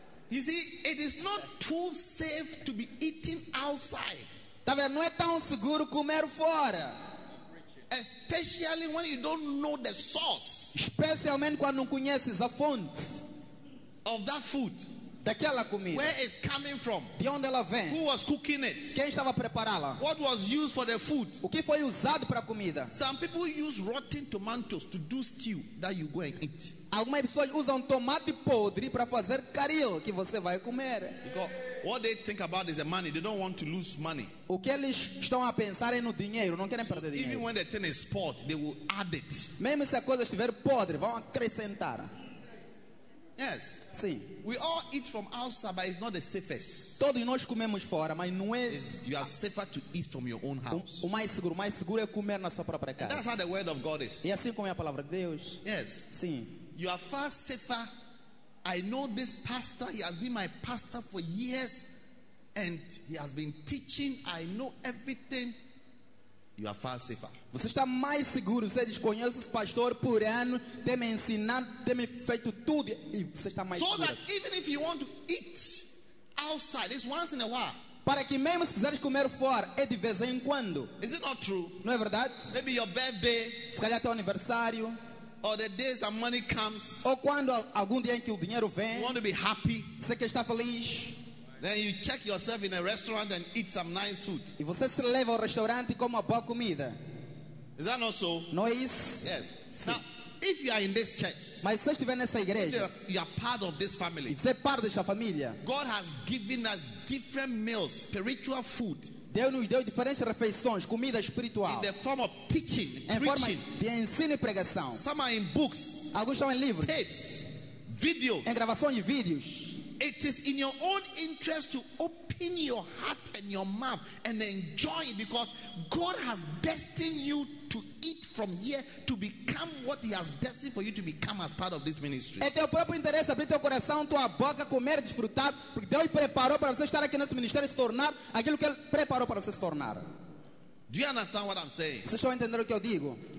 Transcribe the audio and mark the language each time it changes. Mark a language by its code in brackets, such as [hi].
[en] You see, it is not too safe to be eating outside. [pt] Tá vendo? Não é tão seguro comer fora. [en] Especially when you don't know the source. [pt] Especialmente quando não conheces a fonte [en] of that food. [pt] Daquela comida. [en] Where is coming from? [pt] De onde ela vem? [en] Who was cooking it? [pt] Quem estava a prepará-la? [en] What was used for the food? [pt] O que foi usado para a comida? [en] Some people use rotten tomatoes to do stew that you go and eat. [pt] Algumas pessoas usam tomate podre para fazer caril que você vai comer. [en] Because what they think about is the money. They don't want to lose money. [pt] O que eles estão a pensar é no dinheiro, não querem perder dinheiro. [en] Even when the thing is spot, they will add it. [pt] Mesmo se a coisa estiver podre, vão acrescentar. [en] Yes. [pt] Sim. [en] We all eat from outside, but it's not the safest. [pt] Todos nós comemos fora, mas não é. [en] You are safer to eat from your own house. [pt] O mais seguro é comer na sua própria casa. [en] And that's how the word of God is. [pt] E assim como é a palavra de Deus. [en] Yes. [pt] Sim. [en] You are far safer. I know this pastor. He has been my pastor for years, and he has been teaching. I know everything. You are far safer. [pt] Você está mais seguro. Você desconhece o pastor por anos, tem me ensinado, tem me feito tudo e você está mais so seguro. [en] So that even if you want to eat outside, it's once in a while. [pt] Para que mesmo se quiseres comer fora, é de vez em quando. [en] Is it not true? [pt] Não é verdade? [en] Maybe your birthday. [pt] Se calhar teu aniversário. [en] Or the day some money comes. [pt] Ou quando algum dia em que o dinheiro vem. [en] You want to be happy. [pt] Você quer estar feliz. [en] Then you check yourself in a restaurant and eat some nice food. [pt] E você se leva ao restaurante e come uma boa comida. [en] Is that not so? [pt] Não é isso? [en] Yes. [pt] Sim. [en] Now, if you are in this church, [pt] mas se estiver nessa igreja, [en] you are part of this family. [pt] E você é parte desta família. [en] God has given us different meals, spiritual food. [pt] Deus nos deu diferentes refeições, comida espiritual. [en] In the form of teaching, [pt] em [en] preaching. [pt] Forma de ensino e pregação. [en] Some are in books. [pt] Alguns estão em livros. [en] Tapes, videos. [pt] Em gravações de vídeos. [en] It is in your own interest to open your heart and your mouth and enjoy it because God has destined you to eat from here to become what he has destined for you to become as part of this ministry. [pt] É teu próprio interesse abrir teu coração, tua boca, comer, desfrutar, porque Deus preparou para você estar aqui nesse ministério e se tornar aquilo que ele preparou para você se tornar. [en] Do you understand what I'm saying? [pt] Vocês estão a entender o que eu digo?